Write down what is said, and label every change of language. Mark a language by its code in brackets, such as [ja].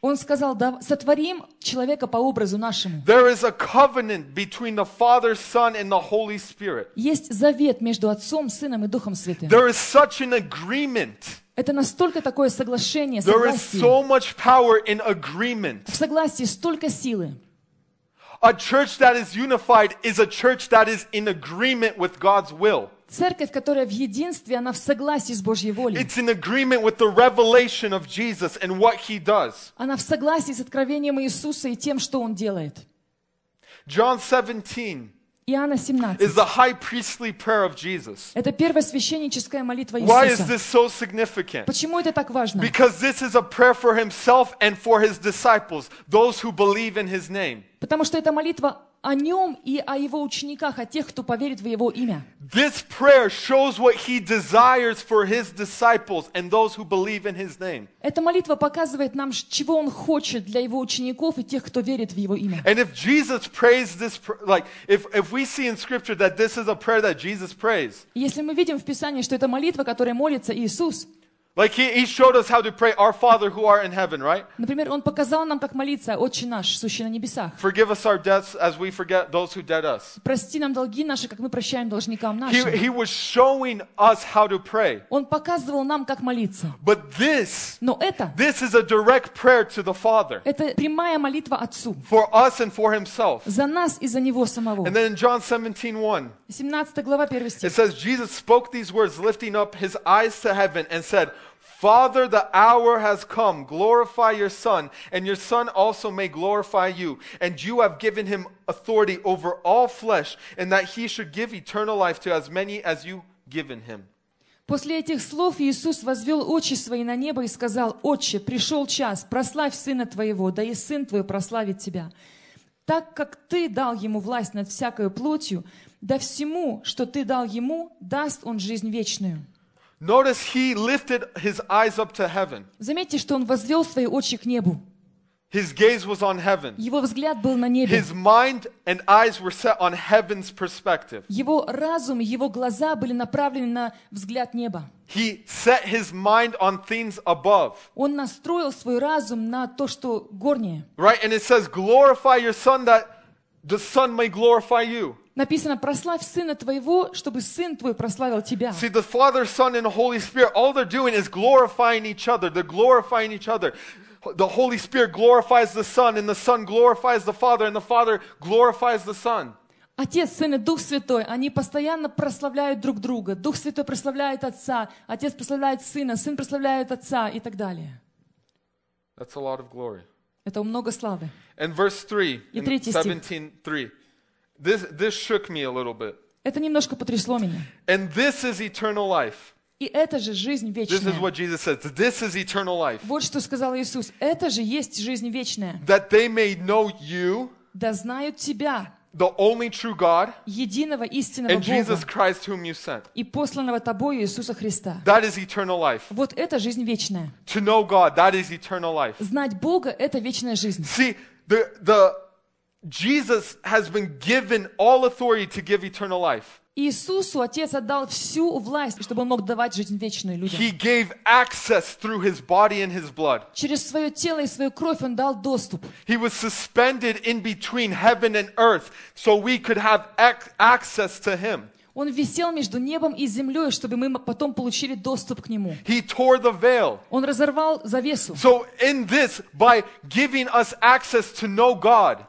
[ru] Он сказал: "Сотворим человека по образу нашему." [en] There is a covenant between the Father, Son, and the Holy Spirit. [ru] Есть завет между Отцом, Сыном и Духом Святым. [en] There is such an agreement. [ru] Это настолько такое соглашение, согласие. [en] There is so much power in agreement. [ru] В согласии столько силы. [en] A church that is unified is a church that is in agreement with God's will. [ru] Церковь, которая в единстве, она в согласии с Божьей волей. [en] It's in agreement with the revelation of Jesus and what He does. [ru] Она в согласии с откровением Иисуса и тем, что Он делает. [en] John 17. [ru] Иоанна 17. [en] Is the high priestly prayer of Jesus. [ru] Это первосвященническая молитва Иисуса. [en] Why is this so significant? [ru] Почему это так важно? [en] Because this is a prayer for himself and for his disciples, those who believe in his name. [ru] Потому что это молитва о нем и о его учениках, о тех, кто поверит в его имя. [en] This prayer shows what he desires for his disciples and those who believe in his name. [ru] Эта молитва показывает нам, чего он хочет для его учеников и тех, кто верит в его имя. [en] And if Jesus prays this, like if we see in Scripture that this is a prayer that Jesus prays. [ru] Если мы видим в Писании, что это молитва, которой молится Иисус. [en] Like he showed us how to pray, our Father who art in heaven, right? [ru] Например, он показал нам, как молиться, Отче наш, сущий на небесах. [en] Forgive us our debts, as we forget those who debt us. [ru] Прости нам долги наши, как мы прощаем должникам нашим. [en] He was showing us how to pray. [ru] Он показывал нам, как молиться. [en] But this, [ru] но это, [en] this is a direct prayer to the Father. [ru] Это прямая молитва Отцу. [en] For us and for Himself. [ru] За нас и за Него самого. [en] And then in John 17:1. [ru] 17 глава, 1 стих. [en] It says, Jesus spoke these words, lifting up his eyes to heaven, and said, Father, the hour has come. Glorify your Son, and your Son also may glorify you. And you have given him authority over all flesh, and that he should give eternal life to as many as you given him. [ru] После этих слов Иисус возвел очи свои на небо и сказал, Отче, пришел час, прославь Сына Твоего, да и Сын Твой прославит Тебя. Так как Ты дал Ему власть над всякою плотью, да всему, что Ты дал Ему, даст Он жизнь вечную. [en] Notice he lifted his eyes up to heaven. [ru] Заметьте, что он возвел свои очи к небу. [en] His gaze was on heaven. [ru] Его взгляд был на небе. [en] His mind and eyes were set on heaven's perspective. [ru] Его разум, его глаза были направлены на взгляд неба. [en] He set his mind on things above. [ru] Он настроил свой разум на то, что горнее. [en] Right, and it says, glorify your son that the son may glorify you. [ru] Написано, прославь Сына Твоего, чтобы Сын Твой прославил Тебя. [en] See, the Father, Son, and Holy Spirit, all they're doing is glorifying each other. They're glorifying each other. The Holy Spirit glorifies the Son, and the Son glorifies the Father, and the Father glorifies the Son. [ru] Отец, Сын и Дух Святой, они постоянно прославляют друг друга. Дух Святой прославляет Отца, Отец прославляет Сына, Сын прославляет Отца и так далее. [en] That's a lot of glory. [ru] Это много славы. [en] And verse 3, 17:3. This shook me a little bit. [ru] Это немножко потрясло меня. [en] And this is eternal life. [ru] И это же жизнь вечная. [en] This is what Jesus says. This is eternal life. [ru] Вот что сказал Иисус. Это же есть жизнь вечная. [en] That they may know you. [ru] Да знают тебя. [en] The only true God. [ru] Единого истинного [en] and [ru] Бога. [en] And Jesus Christ, whom you sent. [ru] И посланного тобою Иисуса Христа. [en] That is eternal life. [ru] Вот это жизнь вечная. [en] To know God, that is eternal life. [ru] Знать Бога – это вечная жизнь. [en] See, the Jesus has been given all authority to give eternal life. [ru] Иисусу Отец отдал всю власть, чтобы Он мог давать жизнь вечную людям. [en] He gave access through His body and His blood. [ru] Через свое тело и свою кровь Он дал доступ. [en] He was suspended in between heaven and earth, so we could have access to Him. [ru] Он висел между небом и землей, чтобы мы потом получили доступ к Нему. [en] He tore the veil. [ru] Он разорвал завесу. [en] So in this, by giving us access to know God,